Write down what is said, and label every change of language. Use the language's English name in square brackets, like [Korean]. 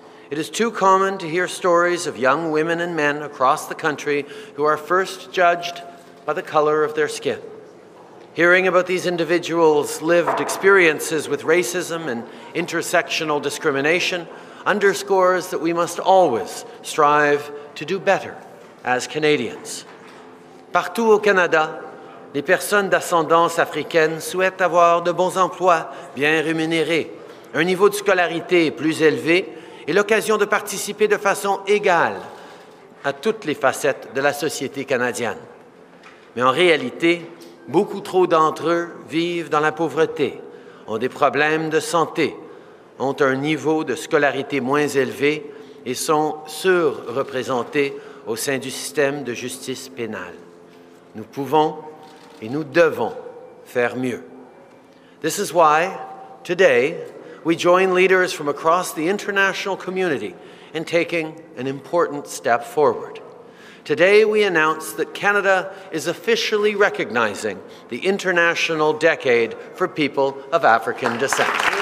[English] It is too common to hear stories of young women and men across the country who are first judged by the color of their skin. Hearing about these individuals' lived experiences with racism and intersectional discrimination underscores that we must always strive to do better as Canadians. [French] Partout au Canada, les personnes d'ascendance africaine souhaitent avoir de bons emplois bien rémunérés, un niveau de scolarité plus élevé et l'occasion de participer de façon égale à toutes les facettes de la société canadienne. Mais en réalité, beaucoup trop d'entre eux vivent dans la pauvreté, ont des problèmes de santé, ont un niveau de scolarité moins élevé et sont surreprésentés au sein du système de justice pénale. Nous pouvons et nous devons faire mieux. [English] This is why, today, we join leaders from across the international community in taking an important step forward. Today, we announce that Canada is officially recognizing the International Decade for People of African Descent.